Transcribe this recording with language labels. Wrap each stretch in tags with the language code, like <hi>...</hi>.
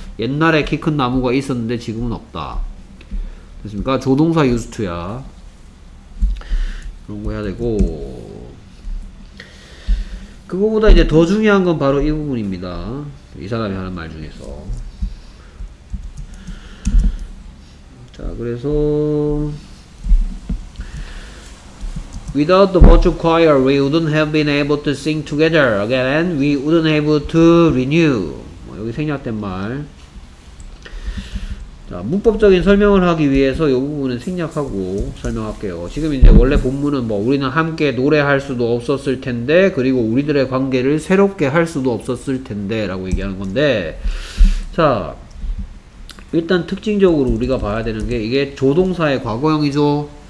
<ko>옛날에 키 큰 나무가 있었는데 지금은 없다. 됐습니까? 조동사 used to야. 그런 거 해야 되고 그거보다 이제 더 중요한 건 바로 이 부분입니다. 이 사람이 하는 말 중에서.</ko> <en>자, 그래서 Without the virtual choir, we wouldn't have been able to sing together again, and we wouldn't have to renew.</en> <ko>뭐 여기 생략된 말. 자, 문법적인 설명을 하기 위해서 이 부분은 생략하고 설명할게요. 지금 이제 원래 본문은 뭐 우리는 함께 노래할 수도 없었을 텐데, 그리고 우리들의 관계를 새롭게 할 수도 없었을 텐데 라고 얘기하는 건데, 자, 일단 특징적으로 우리가 봐야 되는 게 이게 조동사의 과거형이죠.</ko>